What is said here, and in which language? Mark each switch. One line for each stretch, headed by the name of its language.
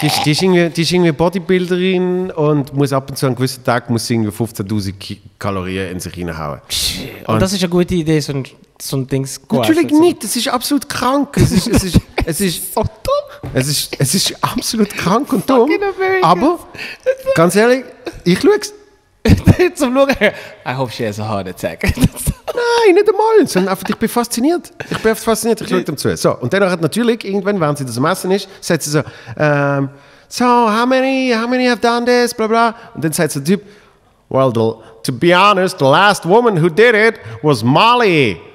German: Die ist irgendwie Bodybuilderin und muss ab und zu an gewissen Tag 15.000 Kalorien in sich reinhauen. Und das ist eine gute Idee, so ein Ding zu gehen. Natürlich nicht, das ist absolut krank. Es ist absolut krank und dumm, aber ganz ehrlich, ich schaue es. Zum Schauen,
English: I hope she has a heart attack.
German: Nein, nicht einmal, sondern einfach, ich bin fasziniert, ich schaue dem zu. So, und dann natürlich, irgendwann, während sie das am Essen ist, sagt sie so,
English: how many have done this,
German: bla bla. Und dann sagt sie der Typ,
English: well, to be honest, the last woman who did it was Molly.